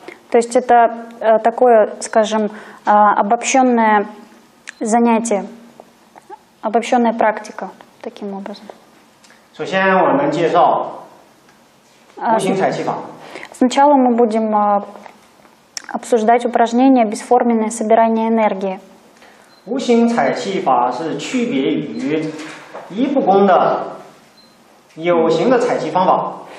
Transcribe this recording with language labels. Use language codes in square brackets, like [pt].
[ru] то есть это такое, скажем, обобщенное занятие, обобщенная практика таким образом. [zh] 首先我们介绍无形采气法. [ru] Сначала мы будем обсуждать упражнение «Бесформенное собирание энергии». [zh] 无形采气法是区别于一不公的 有形的采集方法.